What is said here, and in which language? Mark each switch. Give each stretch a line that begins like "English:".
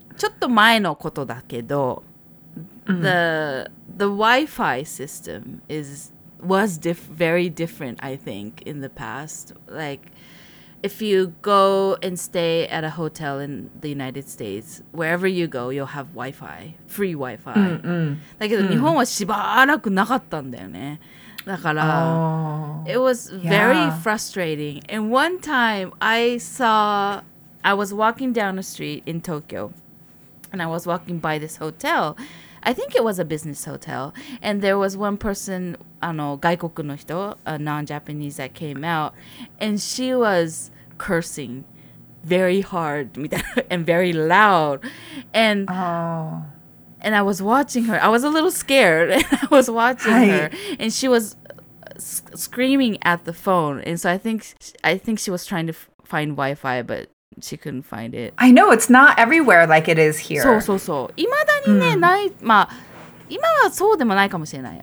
Japanese: ちょっと前のことだけど、
English: the Wi-Fi system was very different, I think, in the past. Like, if you go and stay at a hotel in the United States, wherever you go, you'll have Wi-Fi, free Wi-Fi.
Japanese: だけど日本はしばらくなかったんだよね。だから、
English: it was very frustrating. And one time, I was walking down a street in Tokyo. And I was walking by this hotel. I think it was a business hotel. And there was one person,
Japanese: あの外国の人,
English: a non-Japanese that came out. And she was cursing very hard and very loud. And,、and I was watching her. I was a little scared. I was watching、Hi. Her. And she was screaming at the phone. And so I think she was trying to find Wi-Fi, but... She couldn't find it. I know, it's not everywhere like it is here.
Japanese: そうそうそう。いまだにね、ない、まあ、今はそうでもないかもしれない。